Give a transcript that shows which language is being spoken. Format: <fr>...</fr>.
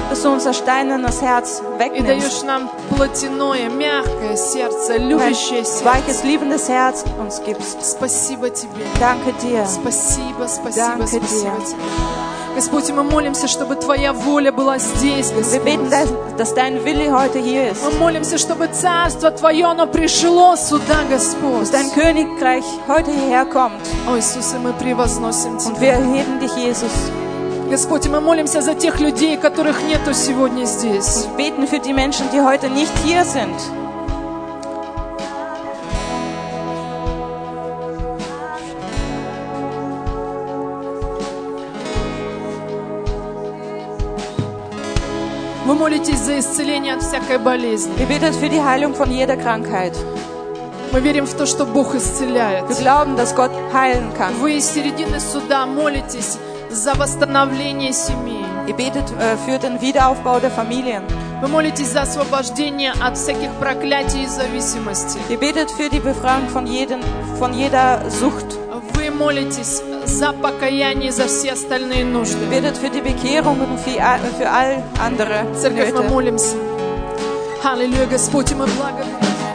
<de>Dass du unser steinernes Herz wegnimmst.</de> <ru>И даешь нам плотяное, мягкое сердце, любящее сердце.</ru> <de>Weiches, liebendes Herz uns gibst.</de> <ru>Спасибо тебе.</ru> <de>Danke dir.</de> <ru>Спасибо, спасибо,</ru> <de>Danke</de> <ru>спасибо</ru> <de>dir.</de> <ru>Тебе. Господь, мы молимся, чтобы Твоя воля была здесь, Господь.</ru> <de>Wir beten, dass dein Wille heute hier ist.</de> <ru>Мы молимся, чтобы Царство Твое, оно пришло сюда, Господь.</ru> <de>Dass dein Königreich heute hierher kommt.</de> <ru>О, Иисус, мы превозносим Тебя.</ru> <de>Und wir heben dich, Jesus.</de> <ru>Господь, мы молимся за тех людей, которых нету сегодня здесь.</ru> <de>Wir beten für die Menschen, die heute nicht hier sind.</de> <ru>Вы молитесь за исцеление от всякой болезни.</ru> <de>Wir beten für die Heilung von jeder Krankheit.</de> <ru>Мы верим в то, что Бог исцеляет.</ru> <de>Wir glauben, dass Gott heilen kann.</de> <ru>Вы из середины суда молитесь за восстановление семьи.</ru> <de>Ihr betet für den Wiederaufbau der Familien.</de> <ru>Вы молитесь за освобождение от всяких проклятий и зависимости.</ru> <de>Ihr betet für die Befreiung von jeder Sucht.</de> <ru>Вы молитесь за покаяние, за все остальные нужды.</ru> <de>Betet für die Bekehrung und für all andere Nöte.</de> <ru>Церковь, мы молимся. Аллилуйя, Господь, мы благодарим.</ru>